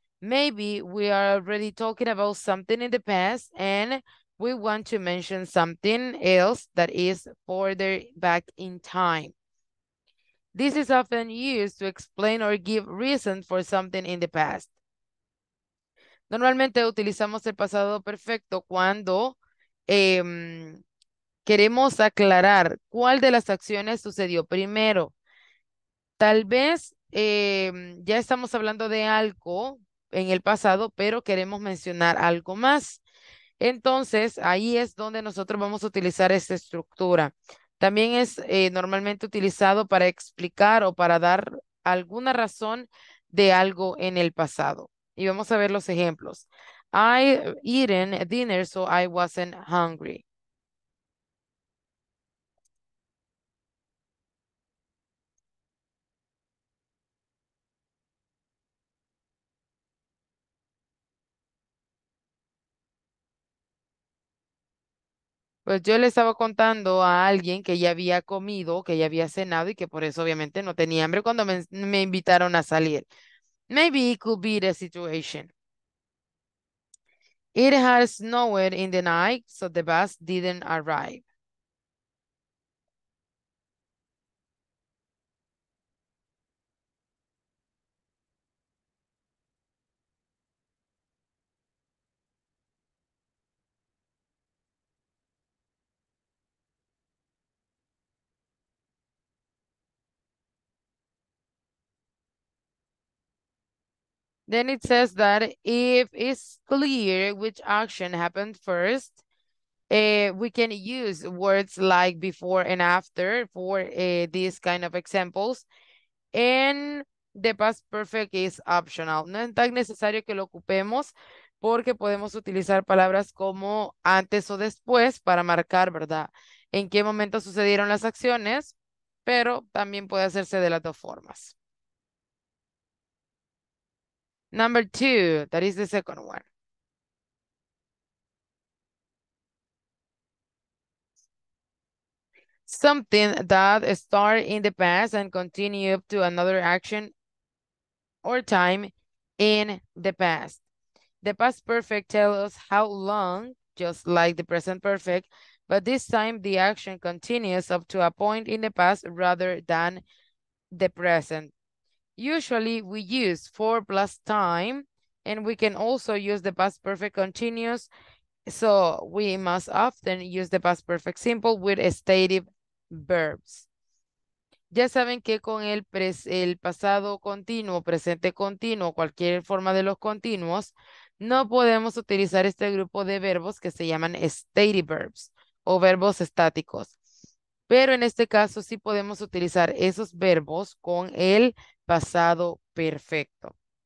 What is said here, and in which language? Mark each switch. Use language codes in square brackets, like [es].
[en] Maybe we are already talking about something in the past and we want to mention something else that is further back in time. This is often used to explain or give reason for something in the past. [es] Normalmente utilizamos el pasado perfecto cuando queremos aclarar cuál de las acciones sucedió primero. Tal vez ya estamos hablando de algo en el pasado, pero queremos mencionar algo más. Entonces, ahí es donde nosotros vamos a utilizar esta estructura. También es normalmente utilizado para explicar o para dar alguna razón de algo en el pasado. Y vamos a ver los ejemplos. [en] I eaten dinner so I wasn't hungry. [es] Pues yo le estaba contando a alguien que ya había comido, que ya había cenado y que por eso obviamente no tenía hambre cuando me invitaron a salir. [en] Maybe it could be the situation. It had snowed in the night, so the bus didn't arrive. Then it says that if it's clear which action happened first, we can use words like before and after for these kind of examples. And the past perfect is optional. [es] No es tan necesario que lo ocupemos porque podemos utilizar palabras como antes o después para marcar, ¿verdad? En qué momento sucedieron las acciones, pero también puede hacerse de las dos formas. [en] Number two, that is the second one. Something that starts in the past and continues to another action or time in the past. The past perfect tells us how long, just like the present perfect, but this time the action continues up to a point in the past rather than the present. Usually we use for plus time and we can also use the past perfect continuous. So we must often use the past perfect simple with stative verbs. [es] Ya saben que con el pasado continuo, presente continuo, cualquier forma de los continuos, no podemos utilizar este grupo de verbos que se llaman stative verbs o verbos estáticos. Pero en este caso sí podemos utilizar esos verbos con el pasado perfecto.